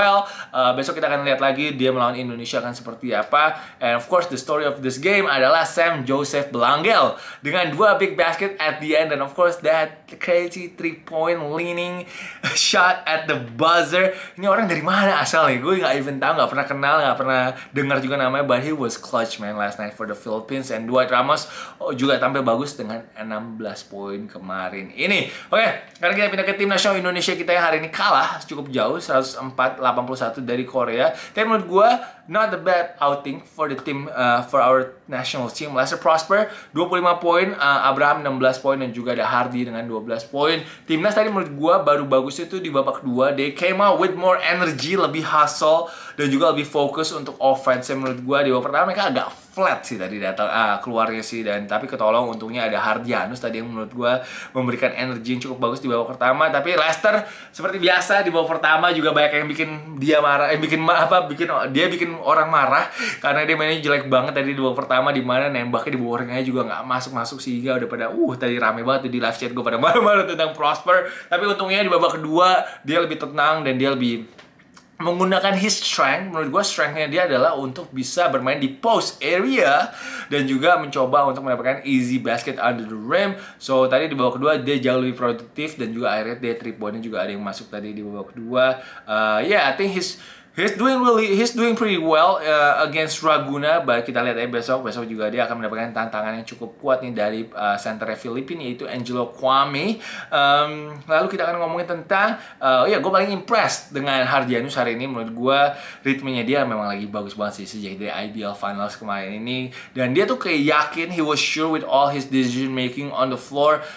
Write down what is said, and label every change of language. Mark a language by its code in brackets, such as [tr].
[id] Well, besok kita akan lihat lagi dia melawan Indonesia akan seperti apa. [en] And of course the story of this game adalah Sam Joseph Belangel dengan 2 big basket at the end, and of course that crazy 3 point leaning shot at the buzzer. [id] Ini orang dari mana asalnya? Gue gak even tahu, gak pernah kenal, gak pernah dengar juga namanya. [en] But he was clutch, man, last night for the Philippines. [id] And Dwight Ramos juga tampil bagus dengan 16 poin kemarin ini. Oke, sekarang kita pindah ke tim nasional Indonesia. Kita yang hari ini kalah cukup jauh, 104-81 dari Korea. Tapi menurut gue [en] not a bad outing for the team, for our national team. [id] Lesser Prosper 25 poin, Abraham 16 poin, dan juga ada Hardy dengan 12 poin. Timnas tadi menurut gue baru bagus itu di babak 2. [en] They came out with more energy, [id] lebih hustle, dan juga lebih fokus untuk offense. Menurut gue di babak pertama mereka agak flat sih tadi datang keluarnya sih, dan tapi ketolong untungnya ada Hardianus tadi yang menurut gue memberikan energi yang cukup bagus di babak pertama. Tapi Leicester seperti biasa di babak pertama juga banyak yang bikin dia marah, bikin orang marah karena dia mainnya jelek banget tadi di babak pertama, di mana nembaknya di bawah ringnya juga nggak masuk sehingga udah pada tadi rame banget tuh di live chat gue pada marah-marah tentang Prosper. Tapi untungnya di babak kedua dia lebih tenang dan dia lebih menggunakan [en] his strength. [id] Menurut gue strengthnya dia adalah untuk bisa bermain di post area dan juga mencoba untuk mendapatkan [en] easy basket under the rim. [id] So tadi di babak kedua dia jauh lebih produktif, dan juga akhirnya dia 3 pointnya juga ada yang masuk tadi di babak kedua. [en] Yeah, I think he's doing pretty well against Raguna. [id] But kita lihat aja besok juga dia akan mendapatkan tantangan yang cukup kuat nih dari centernya Filipina, yaitu Angelo Kwame. Lalu kita akan ngomongin tentang gue paling impressed dengan Hardianus hari ini. Menurut gue ritmenya dia memang lagi bagus banget sih sejak dari IBL Finals kemarin ini, dan dia tuh kayak yakin, [en] he was sure with all his decision making on the floor.